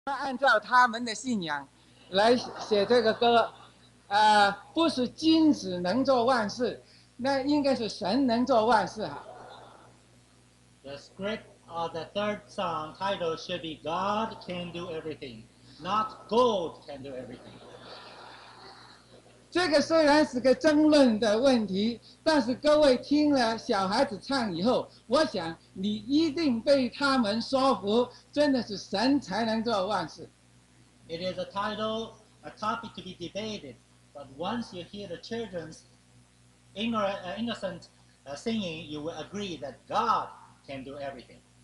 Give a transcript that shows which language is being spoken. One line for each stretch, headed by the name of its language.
Chinese: 按照他们的信仰来写这个歌，不是君子能做万事，那应该是神能做万事哈。
English: The script of the third song title should be God can do everything, not gold can do everything.
Chinese: 这个虽然是个争论的问题，但是各位听了小孩子唱以后，我想你一定被他们说服，真的是神才能做万事。
English: It is a title, a topic to be debated, but once you hear the children's innocent singing, you will agree that God can do everything.